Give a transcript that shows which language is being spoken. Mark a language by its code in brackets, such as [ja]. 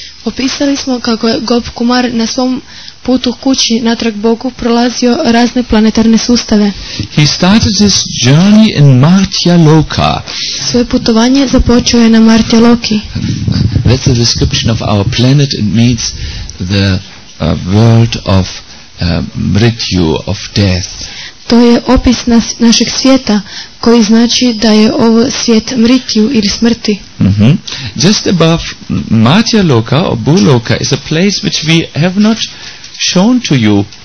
[hr] Opisali smo kako je Gop Kumar na svom putu kući natrag Bogu prolazio razne planetarne sustave. [en] He started his journey in Martya Loka. [hr] Svoje putovanje započeo je na Martya Loki. [en] That's the description of our planet. It means the world of mrityu, of death. [hr] To je opis našeg svijeta, koji znači da je ovo svijet mrityu ili smrti. Mm-hmm. [en] Just above Martya Loka or Bhuloka is a place which we have not shown to you.